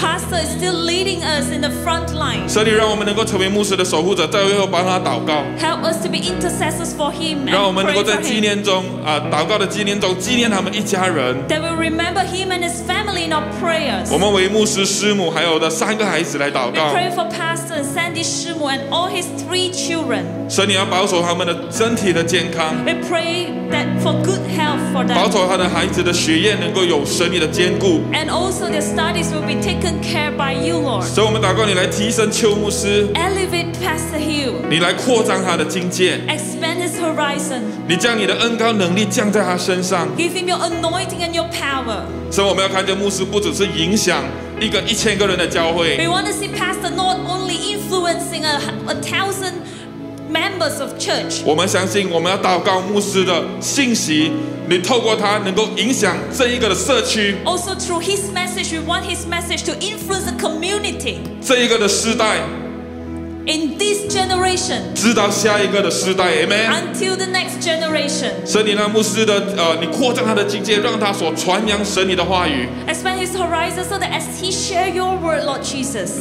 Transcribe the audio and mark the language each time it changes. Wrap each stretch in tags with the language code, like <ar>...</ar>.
<en>Pastor is still leading us in the front line.</en> <zh>所以让我们能够成为牧师的守护者，在最后帮他祷告。</zh> <en>Help us to be intercessors for him.</en> <zh>让我们能够在纪念中啊祷告的纪念中纪念他们一家人。</zh> <en>That we remember him and his family in our prayers.</en> <zh>我们为牧师师母还有的三个孩子来祷告。</zh> <en>We pray for Pastor Sandy 师母 and all his three children.</en> <zh>神你要保守他们的身体的健康。</zh> <en>We pray that for good health for them.</en> <zh>保守他的孩子的学业能够有神你的坚固。</zh> <en>And also their studies will be taken care by you, Lord.</en> <zh>所以我们祷告你来提升邱牧师。</zh> <en>Elevate Pastor Hill.</en> <zh>你来扩张他的境界。</zh> <en>Expand his horizon.</en> <zh>你将你的恩膏能力降在他身上。</zh> <en>Give him your anointing and your power.</en> <zh>所以我们要看见牧师不只是影响一个一千个人的教会。</zh> <en>We want to see Pastor not only influencing a thousand. Members of church.</en> <zh>我们相信我们要祷告牧师的信息你透过他能够影响这一个的社区</zh> <en>Also through his message we want his message to influence the community</en> <zh>这一个的世代</zh> <en>In this generation</en> <zh>直到下一个的世代 Amen</zh> <en>Until the next generation</en> <zh>所以你让牧师的你扩张他的境界让他所传扬神你的话语</zh> <en>Expand his horizon so that as he share your word Lord Jesus</en>